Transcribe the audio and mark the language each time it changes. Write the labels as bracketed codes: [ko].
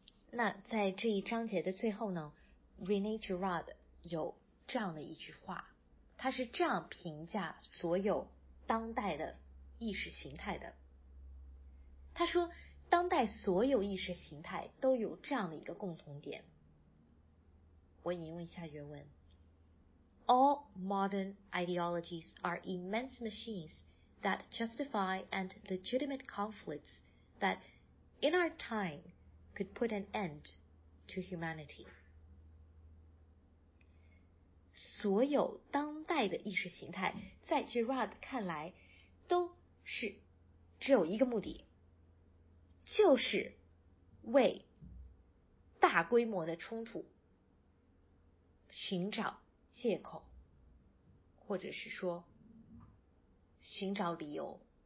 [zh] 那在这一章节的最后呢， René Girard 有这样的一句话，他是这样评价所有当代的意识形态的。他说，当代所有意识形态都有这样的一个共同点。我引用一下原文， [en] All modern ideologies are immense machines that justify and legitimate conflicts that in our time could put an end to humanity. [zh] 所有当代的意识形态在 Girard 看来都是只有一个目的，就是为大规模的冲突寻找借口，或者是说寻找理由。